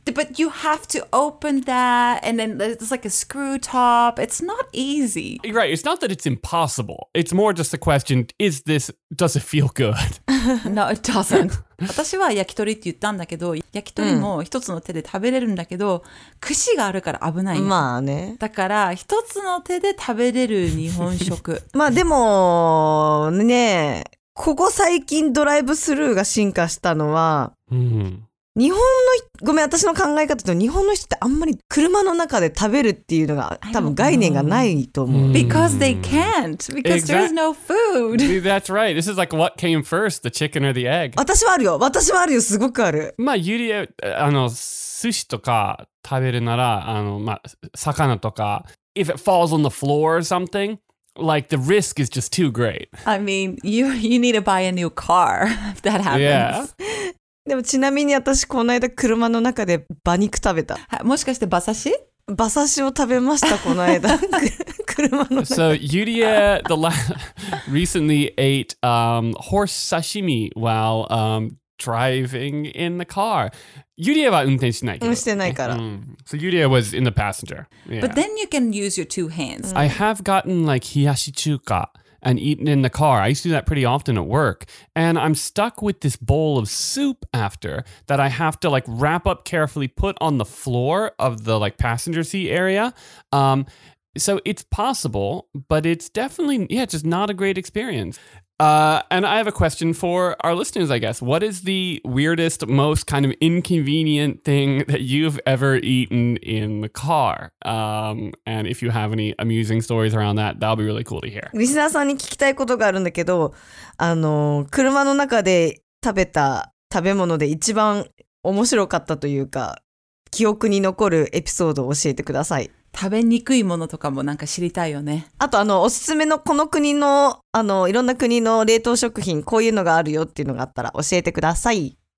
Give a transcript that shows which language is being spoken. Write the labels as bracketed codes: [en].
[en] But you have to open that, and then there's like a screw top. It's not easy. Right. It's not that it's impossible. It's more just a question: is this? Does it feel good? No, it doesn't. [ja] 私は焼き鳥って言ったんだけど、焼き鳥も一つの手で食べれるんだけど、うん、串があるから危ないよ。まあね。だから一つの手で食べれる日本食。まあでもね、ここ最近ドライブスルーが進化したのは、うん、日本の、ごめん私の考え方と、日本の人ってあんまり車の中で食べるっていうのが多分概念がないと思う。 [en] Because they can't. Because there is no food. That's right. This is like what came first, the chicken or the egg. [ja] 私はあるよ。私はあるよ。すごくある。まあ、ユリア、あの、寿司とか食べるなら、あの、まあ、魚とか、 [en] if it falls on the floor or something,Like, the risk is just too great. I mean, you need to buy a new car if that happens. Yeah. [ja] でもちなみに私この間車の中で馬肉食べた。もしかして馬刺し？馬刺しを食べましたこの間。車の中。 [en] So, Yuria recently ate horse sashimi while driving in the car. [ja] Yuria は運転しないけど。してないから。 [en] So Yuria was in the passenger. Yeah. But then you can use your two hands. I have gotten like hiyashi chuka and eaten in the car. I used to do that pretty often at work. And I'm stuck with this bowl of soup after that I have to like wrap up carefully, put on the floor of the like passenger seat area. So it's possible, but it's definitely, yeah, just not a great experience. And I have a question for our listeners, I guess. What is the weirdest, most kind of inconvenient thing that you've ever eaten in the car? And if you have any amusing stories around that, that'll be really cool to hear. [ja] リスナーさんに聞きたいことがあるんだけど、あの、車の中で食べた食べ物で一番面白かったというか、記憶に残るエピソードを教えてください。食べにくいものとかもなんか知りたいよね。あとあのおすすめのこの国のあのいろんな国の冷凍食品こういうのがあるよっていうのがあったら教えてください。